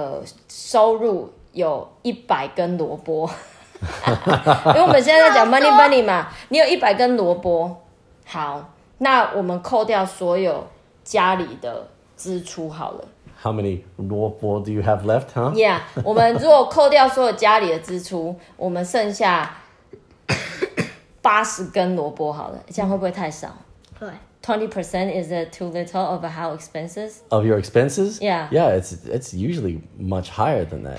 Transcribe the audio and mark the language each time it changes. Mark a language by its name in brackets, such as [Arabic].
[Chinese] 比如说我们用100块来讲好了。比如说你一个月的收入有100根萝卜, 因为我们现在在讲money bunny嘛, 你有100根萝卜, 好。那我们扣掉所有家里的支出好了。 [English] How many [Chinese] 萝卜 [English] do you have left, huh? Yeah, [Chinese] 我们如果扣掉所有家里的支出, 我们剩下 80根萝卜好了, 这样会不会太少? 对。 [English] 20% is it too little of how expenses? Of your expenses? Yeah. Yeah, it's usually much higher than that.